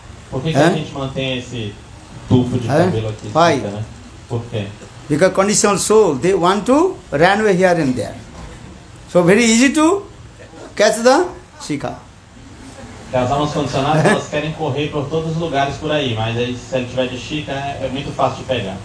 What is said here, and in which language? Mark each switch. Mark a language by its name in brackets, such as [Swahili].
[Portuguese] Por que a gente mantém esse tufo de cabelo aqui? Sika, né? Por quê? [English] Because conditional soul, they want to run away here and there. So very easy to catch the Shikha. [Portuguese] As almas condicionadas, elas querem correr por todos os lugares por aí, mas aí, se ele tiver de Shikha, é muito fácil de pegar.